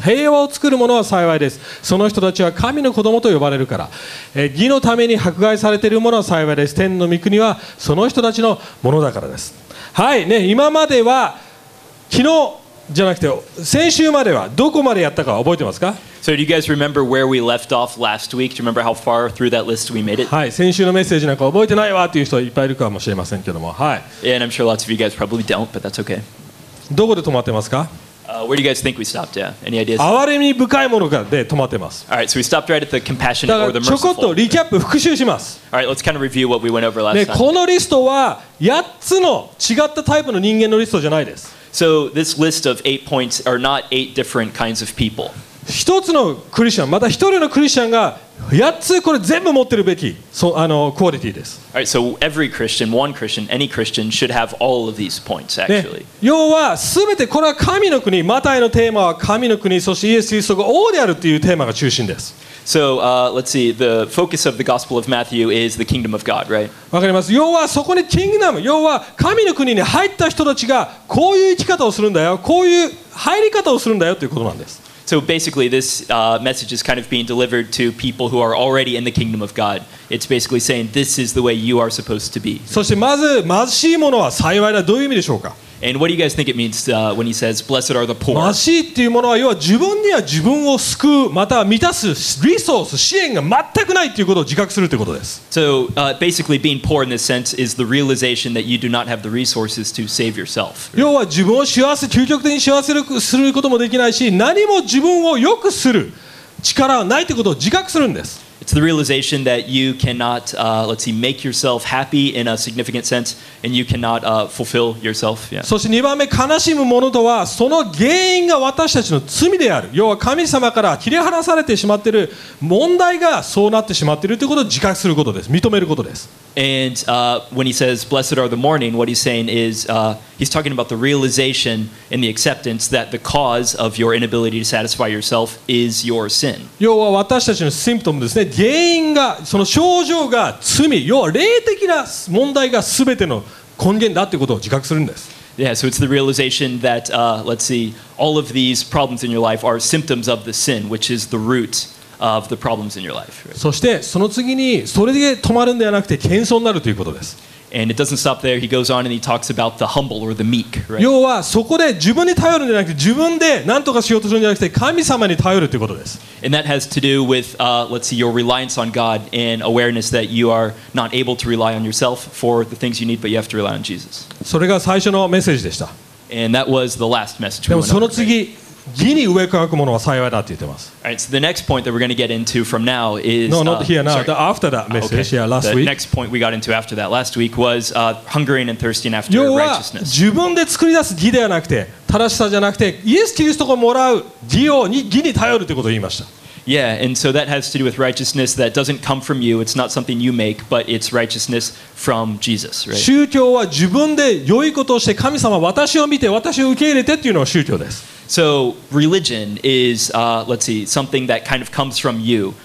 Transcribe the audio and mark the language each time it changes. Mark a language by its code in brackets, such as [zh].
[ja] 平和を作るものは幸いです。その人たちは神の子供と呼ばれるから。義のために迫害されているものは幸いです。天の御国はその人たちのものだからです。はい、ね、今までは昨日じゃなくて先週まではどこまでやったか覚えてますか？ [en] So do you guys remember where we left off last week? Do you remember how far through that list we made it? [ja] はい、先週のメッセージなんか覚えてないわっていう人いっぱいいるかもしれませんけども、はい。 [en] Yeah, and I'm sure lots of you guys probably don't, but that's okay. [ja] どこで止まってますか？ [en] Where do you guys think we stopped? Yeah, any ideas? [ja] 憐れみ深いものからで止まってます。 [en] All right, so we stopped right at the compassionate or the merciful. [ja] ちょこっとリキャップ復習します。 [en] All right, let's kind of review what we went over last time. [ja] このリストは8つの違ったタイプの人間のリストじゃないです。 [en] So this list of eight points are not eight different kinds of people. [ja] 一つのクリスチャン、また一人のクリスチャンが八つこれ全部持ってるべき、そう、クオリティです。 [en] All right, so every Christian, one Christian, any Christian should have all of these points actually. [ja] 要は全てこれは神の国、マタイのテーマは神の国、そしてイエス・キリストが王であるというテーマが中心です。 [en] So, let's see, the focus of the Gospel of Matthew is the kingdom of God, right? [ja] わかります。要はそこにキングダム、要は神の国に入った人たちがこういう生き方をするんだよ、こういう入り方をするんだよということなんです。 [en] So basically, this message is kind of being delivered to people who are already in the kingdom of God. It's basically saying, this is the way you are supposed to be. [ja] そしてまず貧しいものは幸いだ、どういう意味でしょうか？ [en] And what do you guys think it means when he says, blessed are the poor? [ja] 貧しいっていうものは要は自分には自分を救う、または満たすリソース、支援が全くないということを自覚するということです。 [en] So basically, being poor in this sense is the realization that you do not have the resources to save yourself. [ja] 要は自分を幸せ、究極的に幸せすることもできないし、何も自分を良くする力はないということを自覚するんです。 [en] It's the realization that you cannot, let's see, make yourself happy in a significant sense, and you cannot fulfill yourself. Yeah. [ja] そして2番目、悲しむものとはその原因が私たちの罪である。要は神様から切り離されてしまっている問題がそうなってしまっているということを自覚することです。認めることです。 [en] And when he says, "Blessed are the mourning," what he's saying is, he's talking about the realization and the acceptance that the cause of your inability to satisfy yourself is your sin. [ja] 要は私たちのシンプトムですね。原因が、その症状が罪、要は霊的な問題が全ての根源だということを自覚するんです。 [en] Yeah, so it's the realization that, let's see, all of these problems in your life are symptoms of the sin, which is the root. Of the problems in your life, right? [ja] そしてその次にそれで止まるんではなくて謙遜になるということです。 [en] And it doesn't stop there. He goes on and he talks about the humble or the meek, right? [ja] 要はそこで自分に頼るんじゃなくて自分で何とかしようとするんじゃなくて神様に頼るということです。 [en] And that has to do with, let's see, your reliance on God and awareness that you are not able to rely on yourself for the things you need, but you have to rely on Jesus. [ja] それが最初のメッセージでした。 [en] And that was the last message. [ja] でもその次、義に上書くものは幸いだって言ってます。 [en] Alright, so the next point that we're going to get into from now is No, not here now, the after that message, okay. Yeah, last the week The next point we got into after that last week was hungering and thirsting after righteousness. [ja] 要は自分で作り出す義ではなくて正しさじゃなくてイエス・キリストがもらう義に頼るということを言いました。 [en] Yeah, and so that has to do with righteousness that doesn't come from you. It's not something you make, but it's righteousness from Jesus, right? [ja] 宗教は自分で良いことをして神様私を見て私を受け入れてっていうのが宗教です。 [en] So religion is, let's see, something that kind of comes from you.